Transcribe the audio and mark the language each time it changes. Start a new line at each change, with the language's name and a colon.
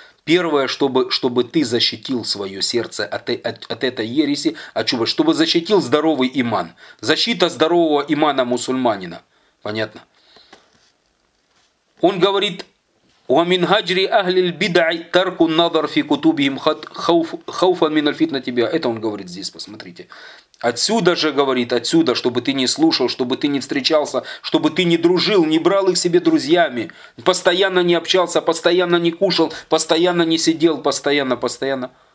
Russian: Первое, чтобы ты защитил свое сердце от этой ереси, чтобы защитил здоровый иман. Защита здорового имана мусульманина. Понятно? Он говорит,
Arabic: وَمِنْ هَجْرِ أَهْلِ الْبِدْعِ تَرْكُ النَّظَرْ فِي كُتُوبِهِمْ خَوْفًا مِنَ الْفِتْنَ تِبِعَ.
Russian: Это он говорит здесь, посмотрите. Отсюда же говорит, отсюда, чтобы ты не слушал, чтобы ты не встречался, чтобы ты не дружил, не брал их себе друзьями, постоянно не общался, постоянно не кушал, постоянно не сидел, постоянно.